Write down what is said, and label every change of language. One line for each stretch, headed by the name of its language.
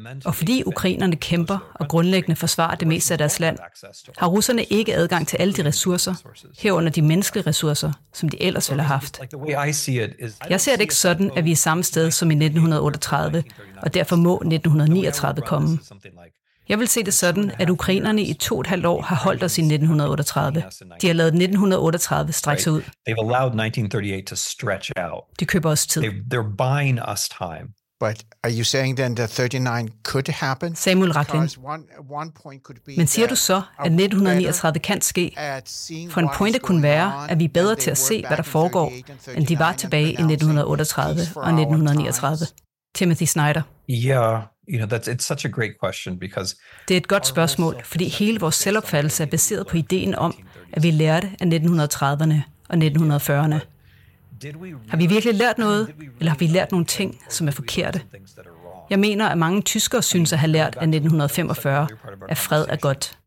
Danish: Og fordi ukrainerne kæmper og grundlæggende forsvarer det meste af deres land, har russerne ikke adgang til alle de ressourcer, herunder de menneskelige ressourcer, som de ellers ville have haft. Jeg ser det ikke sådan, at vi er samme sted som i 1938, og derfor må 1939 komme. Jeg vil se det sådan, at ukrainerne i 2,5 år har holdt os i 1938. De har lavet 1938 strække sig ud.
English: They've allowed 1938 to stretch out.
Danish: De køber os tid.
English: They're buying us time. But are you saying then that 39 could happen?
Danish: Samuel Racklin. Men siger du så, at 1939 kan ske? For en pointe kunne være, at vi er bedre til at se, hvad der foregår, end de var tilbage i 1938 og 1939. Timothy Snyder.
English: Yeah. You know, that's, it's such a great question because
Danish: det er et godt spørgsmål, fordi hele vores selvopfattelse er baseret på ideen om, at vi lærte af 1930'erne og 1940'erne. Har vi virkelig lært noget, eller har vi lært nogle ting, som er forkerte? Jeg mener, at mange tyskere synes at have lært af 1945, at fred er godt.